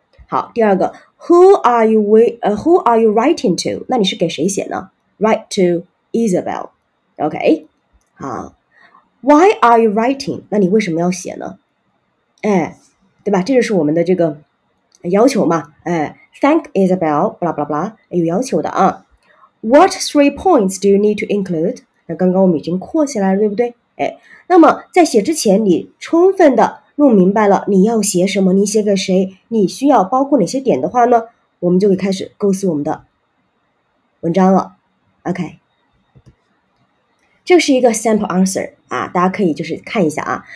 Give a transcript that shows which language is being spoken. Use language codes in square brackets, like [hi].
[zh] 好，第二个 [en] who are you writing to? [zh] 那你是给谁写呢 [en] ?write to Isabel, OK, 好 Why are you writing? [zh] 那你为什么要写呢？哎，对吧？这就是我们的这个要求嘛。哎 ， [en] Thank Isabel, blah blah blah, [zh] 有要求的啊。 [en] What three points do you need to include? [zh] 那刚刚我们已经括起来了，对不对？哎，那么在写之前，你充分的弄明白了你要写什么，你写给谁，你需要包括哪些点的话呢？我们就可以开始构思我们的文章了。 OK。 这是一个 sample answer 啊，大家可以就是看一下啊。